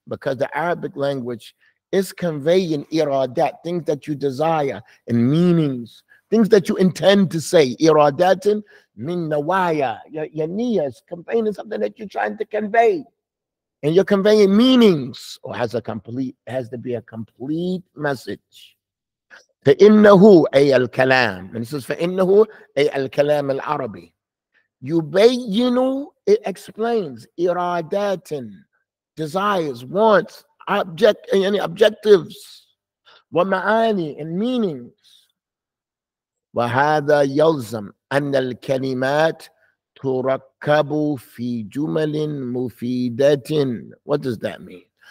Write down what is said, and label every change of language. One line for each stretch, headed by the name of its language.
English: Because the Arabic language is conveying iradat, things that you desire, and meanings, things that you intend to say.
Arabic: Iradatin min nawaya.
English: Your niyya is conveying something that you're trying to convey. And you're conveying meanings, or has to be a complete message.
Arabic: فَإِنَّهُ أَيَ الْكَلَامِ.
English: And this is
Arabic: فَإِنَّهُ أَيَ الْكَلَامِ الْعَرَبِي.
English: يُبَيِّنُ, it explains, إِرَادَاتٍ, desires, wants, object, any objectives, ومعاني, and meanings.
Arabic: وَهَذَا يَلْزَمْ أَنَّ الْكَلِمَاتِ تُرَكَّبُ فِي جُمَلٍ مُفِيدَةٍ.
English: What does that mean?